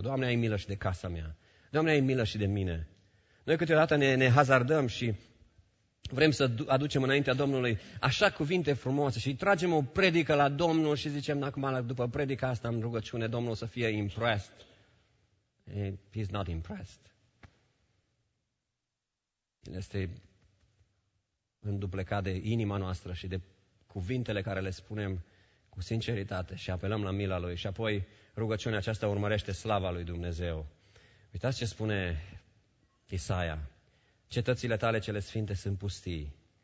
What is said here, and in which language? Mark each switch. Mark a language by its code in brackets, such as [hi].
[ro] Doamne, ai milă și de casa mea. Doamne, ai milă și de mine. Noi câteodată ne hazardăm și vrem să aducem înaintea Domnului așa cuvinte frumoase și tragem o predică la Domnul și zicem, acum, după predica asta, am rugăciune, Domnul să fie impressed. [en] He's not impressed. [ro] El este înduplecat de inima noastră și de cuvintele care le spunem cu sinceritate și apelăm la mila Lui. Și apoi rugăciunea aceasta urmărește slava Lui Dumnezeu. Uitați ce spune Isaia. Cetățile tale cele sfinte sunt pustii.